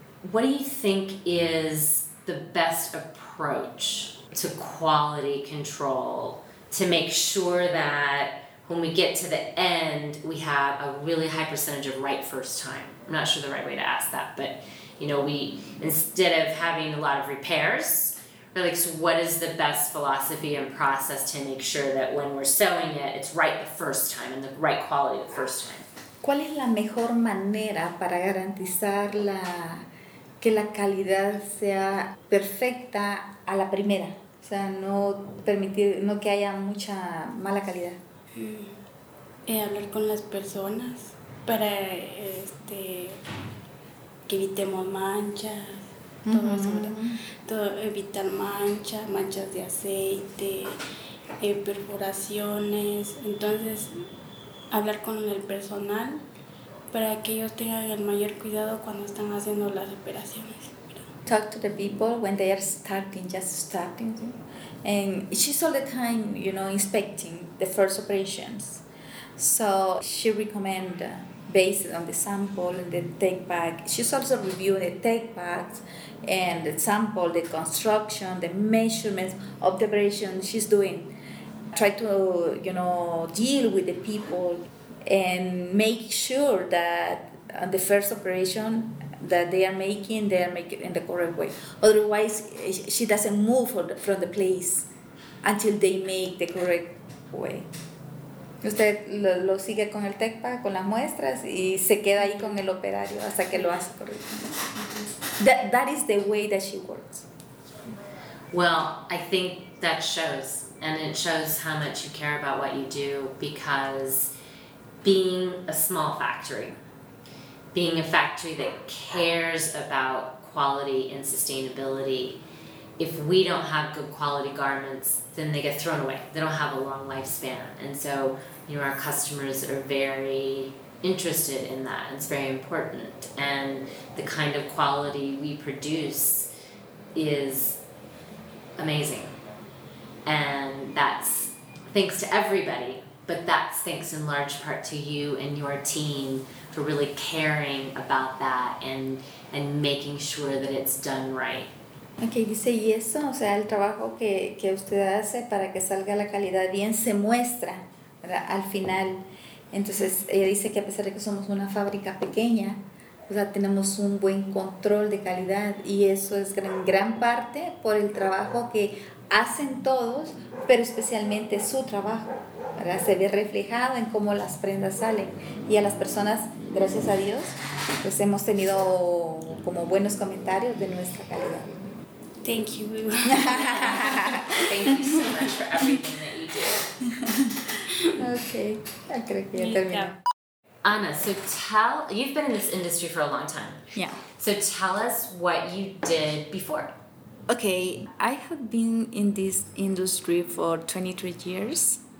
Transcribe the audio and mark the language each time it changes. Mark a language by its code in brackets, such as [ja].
[en] What do you think is the best approach to quality control to make sure that when we get to the end, we have a really high percentage of right first time? I'm not sure the right way to ask that, but you know, we, instead of having a lot of repairs, we're like, so what is the best philosophy and process to make sure that when we're sewing it, it's right the first time and the right quality the first time? [es] ¿Cuál es la mejor manera para garantizar la, que la calidad sea perfecta a la primera? O sea, no permitir, no que haya mucha mala calidad. Hablar con las personas para que evitemos manchas, todo eso, todo, evitar manchas de aceite, perforaciones. Entonces, hablar con el personal para que ellos tengan el mayor cuidado cuando están haciendo las operaciones. [en] Talk to the people when they are starting. And she's all the time, you know, inspecting the first operations. So she recommend, based on the sample and the take back, she's also reviewing the take backs and the sample, the construction, the measurements of the operation she's doing. Try to, you know, deal with the people and make sure that on the first operation that they are making it in the correct way. Otherwise, she doesn't move from the place until they make the correct way. [es] Usted lo sigue con el tech pack, con las muestras, y se queda ahí con el operario hasta que lo hace correcto. [en] That is the way that she works. Well, I think that shows, and it shows how much you care about what you do, because being a small factory, being a factory that cares about quality and sustainability, if we don't have good quality garments, then they get thrown away. They don't have a long lifespan. And so, you know, our customers are very interested in that. It's very important. And the kind of quality we produce is amazing. And that's thanks to everybody, but that's thanks in large part to you and your team for really caring about that and making sure that it's done right. [es] Okay, dice, y eso, o sea, el trabajo que usted hace para que salga la calidad bien se muestra, ¿verdad? Al final. Entonces, ella dice que a pesar de que somos una fábrica pequeña, O sea, tenemos un buen control de calidad y eso es en gran parte por el trabajo que hacen todos, pero especialmente su trabajo, ¿verdad? Se ve reflejado en cómo las prendas salen. Y a las personas, gracias a Dios, pues hemos tenido como buenos comentarios de nuestra calidad. [en] Thank you. Thank you so much for everything that you do. [es] Okay, ya creo que ya terminé. [en] Anna, so tell, you've been in this industry for a long time. Yeah. So tell us what you did before. Okay, I have been in this industry for 23 years.